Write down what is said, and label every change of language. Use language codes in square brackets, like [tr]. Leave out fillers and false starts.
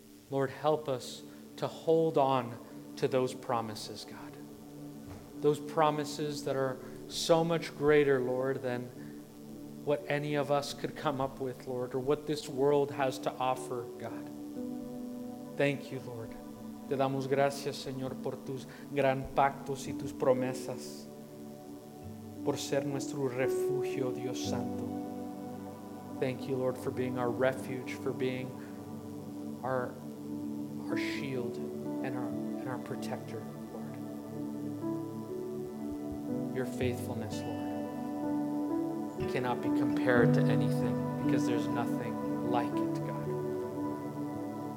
[en] Lord, help us to hold on to those promises, God. Those promises that are so much greater, Lord, than what any of us could come up with, Lord, or what this world has to offer, God. Thank you, Lord. [es] Te damos gracias, Señor, por tus gran pactos y tus promesas, por ser nuestro refugio, Dios Santo. [en] Thank you, Lord, for being our refuge, for being our shield and our protector, Lord. Your faithfulness, Lord, cannot be compared to anything because there's nothing like it, God.